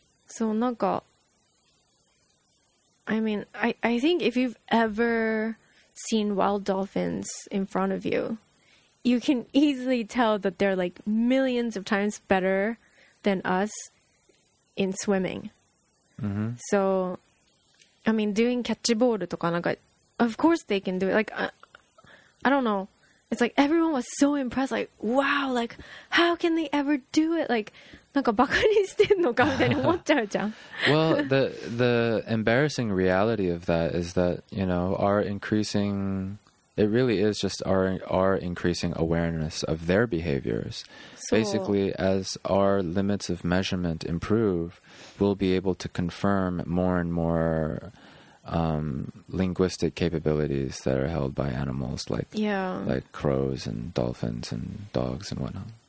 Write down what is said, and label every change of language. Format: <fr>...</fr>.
<en>So, nanka, I mean, I think if you've ever seen wild dolphins in front of you,you can easily tell that they're like millions of times better than us in swimming. Mm-hmm. So, I mean, doing catchball</en> <ja>とかなんか,</ja> <en>of course they can do it. Like, I don't know. It's like everyone was so impressed. Like, wow, like, how can they ever do it?</en> <ja>Like, なんかバカにしてんのかみたいに思っちゃうじゃん。</ja> <en>Well, the embarrassing reality of that is that, you know, our increasing... It really is just our increasing awareness of their behaviors. So, basically, as our limits of measurement improve, we'll be able to confirm more and more linguistic capabilities that are held by animals like crows and dolphins and dogs and whatnot.</en>